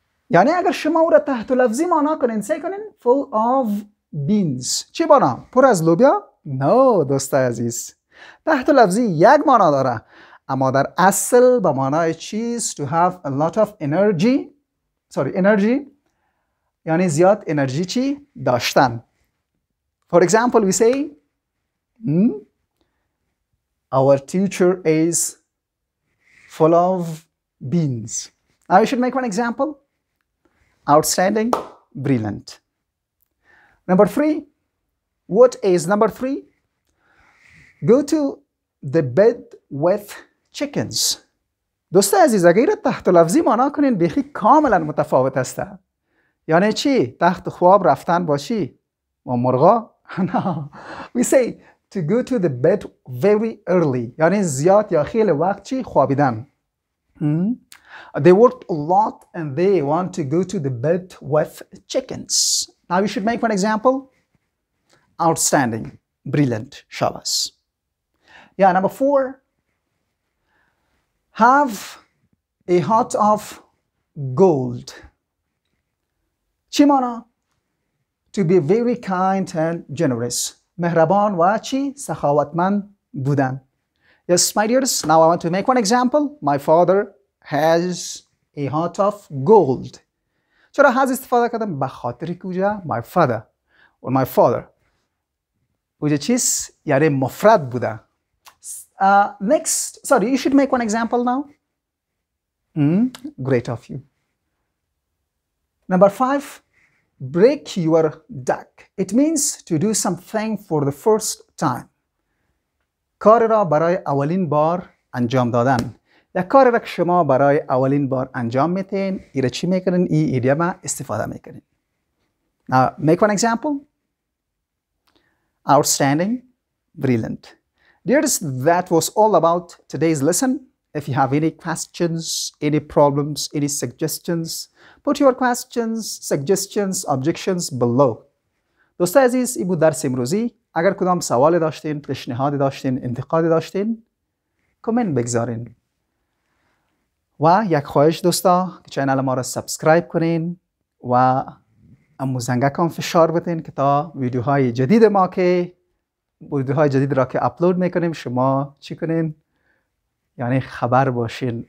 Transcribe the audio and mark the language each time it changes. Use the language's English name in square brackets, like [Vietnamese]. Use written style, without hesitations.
[Persian] یعنی اگر شما او را تحت لفظی مانا کنین، سعی کنین [English] full of beans. [Persian] چی مانا؟ پر از لوبیا؟ نه دوست عزیز. تحت لفظی یک مانا داره. اما در اصل به مانای چیز [English] to have a lot of energy. Sorry, energy. [Persian] یعنی زیاد انرژی چی؟ داشتن. [English] For example, we say our teacher is full of beans. Now you should make one example. Outstanding. Brilliant. Number three. What is number three? Go to the bed with chickens. [Persian] دوست عزیز اگر تحت لفظی مانا کنین بیخی کاملا متفاوت است. یعنی چی؟ تخت خواب رفتن باشی؟ و مرغا؟ نه. [English] We say to go to the bed very early. [Persian] یعنی زیاد یا خیلی وقت چی؟ خوابیدن. [English] They worked a lot and they want to go to the bed with chickens. Now you should make one example. Outstanding. Brilliant. Shabas. Yeah, number four. Have a heart of gold. [Persian] چی مانا؟ [English] To be very kind and generous. [Persian] مهربان و چی؟ سخاوتمند بودن. [English] Yes, my dears, now I want to make one example. My father has a heart of gold. [Persian] چرا has استفاده کردم؟ بخاطر کجا؟ [English] My father. Or my father. [Persian] کجا چیز؟ یعنی مفرد بوده. [English] Next, sorry, you should make one example now. Great of you. Number five, break your duck. It means to do something for the first time. [Persian] کار را برای اولین بار انجام دادن. یک کار را که شما برای اولین بار انجام میتین، ای را چی میکنین؟ ای ایدیوم استفاده میکنین. [English] Now, make one example. Outstanding. Brilliant. Dears, that was all about today's lesson. If you have any questions, any problems, any suggestions, put your questions, suggestions, objections below. [Persian] دوست عزیز، این بود درس امروزی. اگر کدام سوال داشتین، پیشنهاد داشتین، انتقاد داشتین، کامنت بگذارین. و یک خواهش دوستا، چینل ما را سابسکرایب کنین و زنگکم فشار بدین که تا ویدیوهای جدید ما که ویدیوهای جدید را که اپلود میکنیم شما چی کنین؟ یعنی خبر باشین.